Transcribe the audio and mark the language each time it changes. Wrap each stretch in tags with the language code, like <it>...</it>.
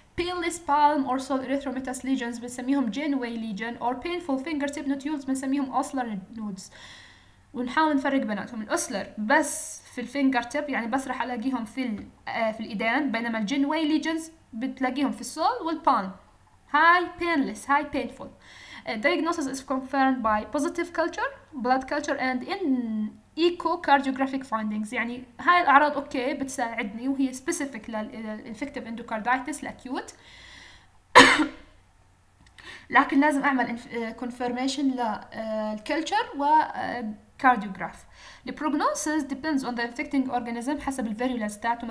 <en>بيلس palm or sole erythematous lesions بنسميهم Janeway lesion, or painful finger tip nodules بنسميهم Osler nodes.</en> <ar>ونحاول نفرق بيناتهم، الاوسلر بس في الفينجر تيب، يعني بس راح الاقيهم في في الايدين، بينما الجين واي ليجنز بتلاقيهم في السول والبالم. هاي بينلس، هاي بينفول.</ar> <en>Diagnosis is confirmed by positive culture, blood culture and in echocardiographic findings.</en> <ar>يعني هاي الأعراض أوكي بتساعدني، وهي specific للinfective endocarditis acute. لكن لازم أعمل confirmation للculture وcardiograph.</ar> <en>The prognosis depends on the infecting organism</en> <ar>حسب الفيرولنس تاعته.</ar>